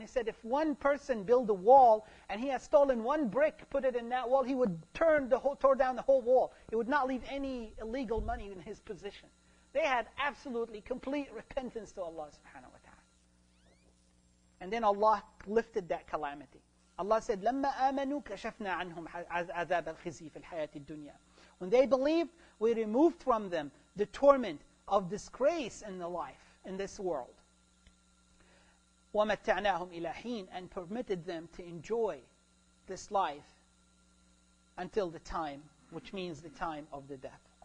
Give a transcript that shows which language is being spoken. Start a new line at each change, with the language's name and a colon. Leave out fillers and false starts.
English: And he said, if one person build a wall and he has stolen one brick, put it in that wall, he would tore down the whole wall. He would not leave any illegal money in his position. They had absolutely complete repentance to Allah subhanahu wa ta'ala. And then Allah lifted that calamity. Allah said,
Arabic: لَمَّا آمَنُوا كَشَفْنَا عَنْهُمْ عَذَابَ الْخِزِي فِي الْحَيَاةِ الدُّنْيَا.
English: When they believed, we removed from them the torment of disgrace in the life, in this world.
Arabic: وَمَتَّعْنَاهُمْ إِلَى حِينَ,
English: and permitted them to enjoy this life until the time, which means the time of the death.